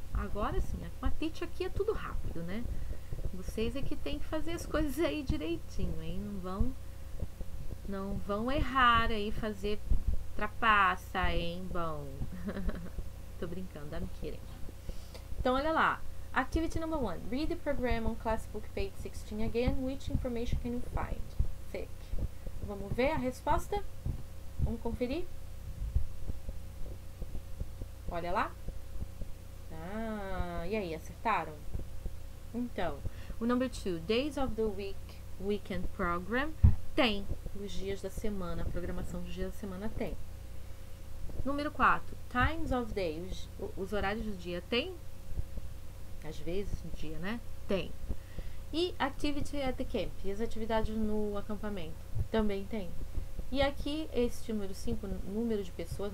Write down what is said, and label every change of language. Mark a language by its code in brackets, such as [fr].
[pt] Agora sim, com a Tite aqui é tudo rápido, né? Vocês é que tem que fazer as coisas aí direitinho, hein? Não vão errar aí, fazer trapaça, hein? Bom, tô brincando, dá-me querendo. Então, olha lá. [en] Activity number 1. Read the program on Classbook page 16 again. Which information can you find? Thick. [pt] Vamos ver a resposta? Vamos conferir? Olha lá. Ah, e aí, acertaram? Então, o number 2. [en] Days of the week, weekend program. [pt] Tem. Os dias da semana, a programação dos dias da semana tem. Número 4. [en] Times of days. [pt] Os horários do dia tem? Às vezes, no dia, né? Tem. E [en] activity at the camp. [pt] E as atividades no acampamento. Também tem. E aqui, este número 5, número de pessoas.